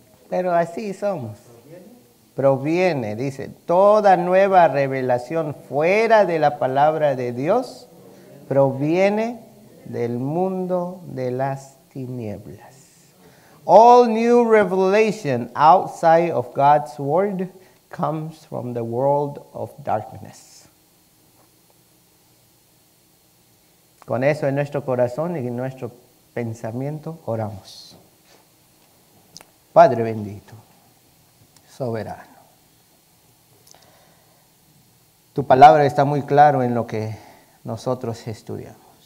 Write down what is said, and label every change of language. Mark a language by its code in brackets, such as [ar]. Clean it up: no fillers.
[es] Pero así somos. Proviene, dice, toda nueva revelación fuera de la palabra de Dios proviene del mundo de las tinieblas. [en] All new revelation outside of God's word comes from the world of darkness. [es] Con eso en nuestro corazón y en nuestro pensamiento oramos. Padre bendito, soberano. Tu palabra está muy claro en lo que nosotros estudiamos.